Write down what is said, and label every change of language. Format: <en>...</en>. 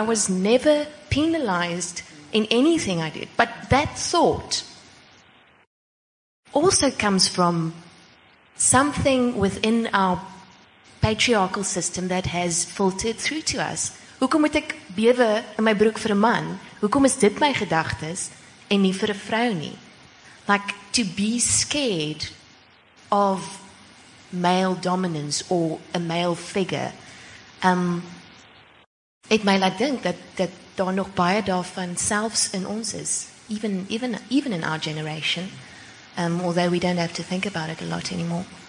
<en>I was never penalized in anything I did. But that thought also comes from something within our patriarchal system that has filtered through to us.</en> <af>Hoekom moet ek bewe in my broek vir 'n man? Hoekom is dit my gedagtes en nie vir 'n vrou nie?</af> <en>Like, to be scared of male dominance or a male figure.</en> <af>Het my laat dink dat daar nog baie daarvan selfs in ons is,</af> <en>even in our generation, although we don't have to think about it a lot anymore.</en>